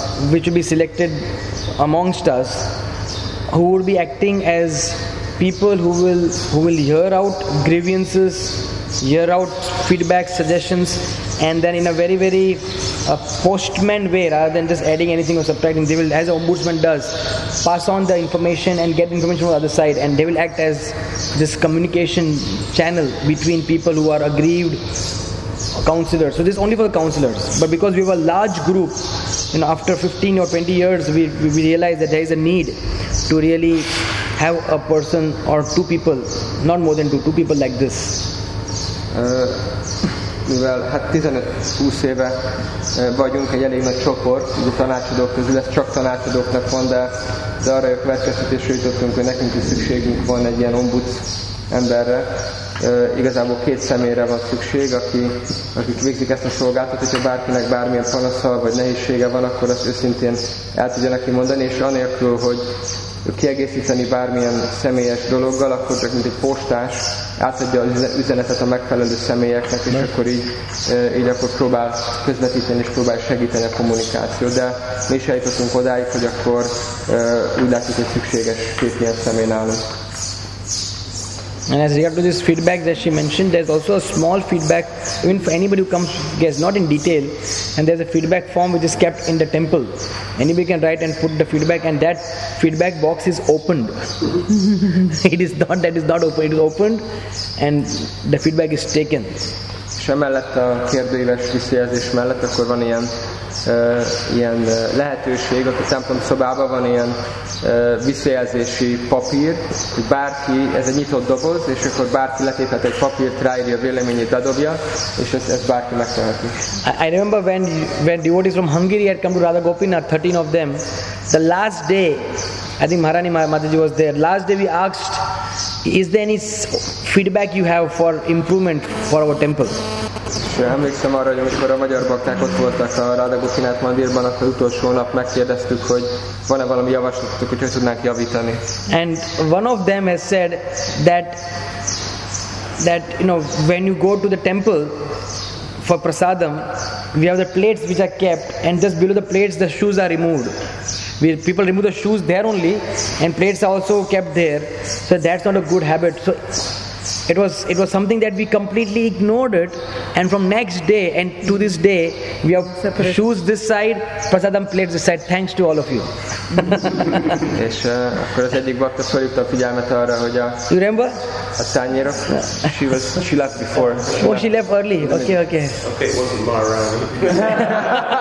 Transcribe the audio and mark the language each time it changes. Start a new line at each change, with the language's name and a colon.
English: Which will be selected amongst us, who will be acting as people who will hear out grievances, hear out feedback, suggestions, and then in a very very postman way, rather than just adding anything or subtracting, they will, as the ombudsman does, pass on the information and get information from the other side, and they will act as this communication channel between people who are aggrieved. Counselors. So this is only for the counselors. But because we have a large group, you know, after 15 or 20 years, we realize that there is a need to really have a person or two people, not more than two people like this.
Hungarian: Mivel hát 15-20 éve vagyunk egy elég nagy csoport, ugye tanácsadók közül, ez csak tanácsadóknak van, de arra a következtetésre jutottunk, hogy nekünk is szükségünk van egy ilyen ombudsz emberre. Igazából két személyre van szükség, akik végzik ezt a szolgáltat, hogyha bárkinek bármilyen panasza vagy nehézsége van, akkor azt őszintén el tudja neki mondani, és anélkül, hogy kiegészíteni bármilyen személyes dologgal, akkor csak mint egy postás átadja az üzenetet a megfelelő személyeknek, és akkor így akkor próbál közvetíteni és próbál segíteni a kommunikációt. De mi is eljutottunk odáig, hogy akkor úgy látjuk, hogy szükséges két ilyen személy nálunk.
English: And as regard to this feedback that she mentioned, there's also a small feedback, even for anybody who comes, guess not in detail, and there's a feedback form which is kept in the temple. Anybody can write and put the feedback, and that feedback box is opened. It is not open, it is opened, and the feedback is taken.
Hungarian: Semellett a kérdőíves visszajelzés mellett, akkor van ilyen ilyen lehetőség, ott a templom szobában van ilyen visszajelzési papír, hogy bárki, ez egy nyitott doboz, és akkor bárki letéphet egy papírt, ráírja a véleményét, adobja, és ezt bárki megteheti.
English: I remember when devotees from Hungary had come to Radha Gopinath, 13 of them, the last day, I think Maharani Mataji was there, last day we asked, is there any feedback you have for improvement for our temple?
Hungarian: Emlékszem arra, hogy amikor a magyar bakták ott voltak a Radha Gopinath Mandirban, akkor utolsó nap megkérdeztük, hogy van-e valami javaslatuk, hogy tudnánk javítani.
English: And one of them has said that you know, when you go to the temple for prasadam, we have the plates which are kept, and just below the plates the shoes are removed. People remove the shoes there only, and plates are also kept there, so that's not a good habit. So it was something that we completely ignored it, and from next day and to this day, we have separate shoes this side, prasadam plates this side, thanks to all of you.
Hungarian: És akkor az egyik bakta felhívta a figyelmet arra, hogy a...
English: You remember?
Hungarian: A tányérok.
English: She left before. Oh, she left early. Okay. Okay, it wasn't my round.